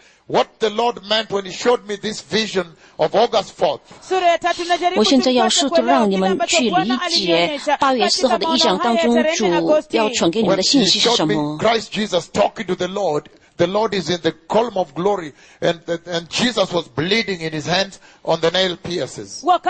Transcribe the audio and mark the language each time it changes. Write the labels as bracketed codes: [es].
[en] What the Lord meant when he showed me this vision of August 4th. [zh] 我现在要试图让你们去理解8月4号的意象当中主要传给你们的信息是什么。 [en] Christ Jesus talking to the Lord. The Lord is in the column of glory, and Jesus was bleeding in his hands on the nail pierces.